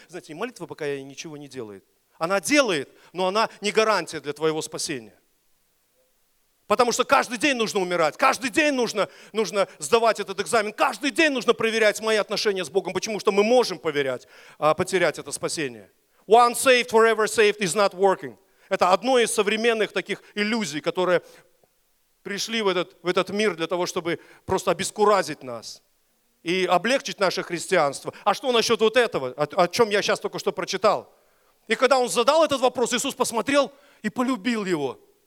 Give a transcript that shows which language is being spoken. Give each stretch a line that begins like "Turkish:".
Russian: Знаете, молитва пока ничего не делает. Она делает, но она не гарантия для твоего спасения. Потому что каждый день нужно умирать, каждый день нужно сдавать этот экзамен, каждый день нужно проверять мои отношения с Богом, потому что мы можем потерять это спасение.
English: One saved, forever saved is not working.
Russian: Это одно из современных таких иллюзий, которые пришли в этот мир для того, чтобы просто обескуразить нас и облегчить наше христианство. А что насчет вот этого, о чем я сейчас только что прочитал? И когда он задал этот вопрос, Иисус посмотрел и полюбил его.